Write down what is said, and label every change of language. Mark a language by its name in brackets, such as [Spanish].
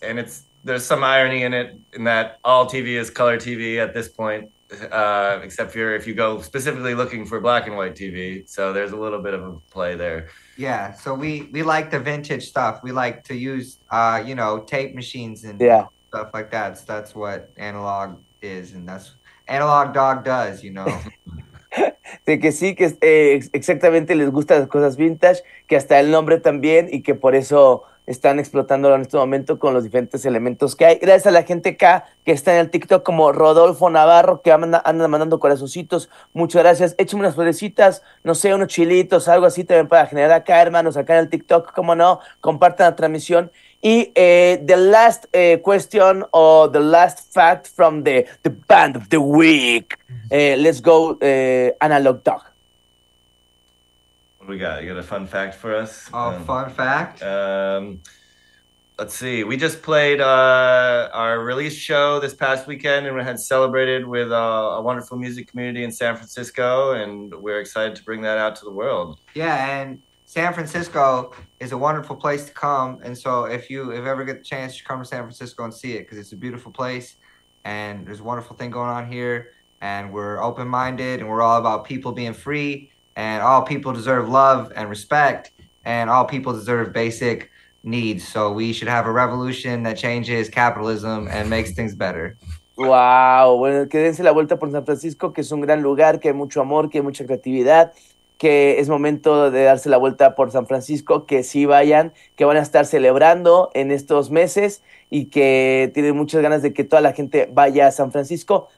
[English] And there's some irony in it, in that all TV is color TV at this point, except for if you go specifically looking for black and white TV. So there's a little bit of a play there. Yeah. So we like the vintage stuff. We like to use, tape machines and. Yeah. Stuff like that. So that's what analog is, and that's analog dog does, you know. [Spanish] De que sí, que exactamente les gustan las cosas vintage, que hasta el nombre también, y que por eso están explotándolo en este momento con los diferentes elementos que hay. Gracias a la gente acá que está en el TikTok, como Rodolfo Navarro, que anda mandando corazoncitos. Muchas gracias. Échame unas florecitas, no sé, unos chilitos, algo así también para generar acá, hermanos, acá en el TikTok, cómo no. Compartan la transmisión. [English] Y the last question or the last fact from the band of the week. Let's go, Analog Dog. What do we got? You got a fun fact for us? Fun fact? Let's see. We just played our release show this past weekend, and we had celebrated with a wonderful music community in San Francisco, and we're excited to bring that out to the world. Yeah, and San Francisco is a wonderful place to come, and so if you ever get the chance, you come to San Francisco and see it, because it's a beautiful place, and there's a wonderful thing going on here, and we're open-minded, and we're all about people being free. And all people deserve love and respect, and all people deserve basic needs. So we should have a revolution that changes capitalism and makes things better. Wow. [Spanish] Bueno, que dense la vuelta por San Francisco, que es un gran lugar, que hay mucho amor, que hay mucha creatividad, que es momento de darse la vuelta por San Francisco, que sí vayan, que van a estar celebrando en estos meses y que tienen muchas ganas de que toda la gente vaya a San Francisco.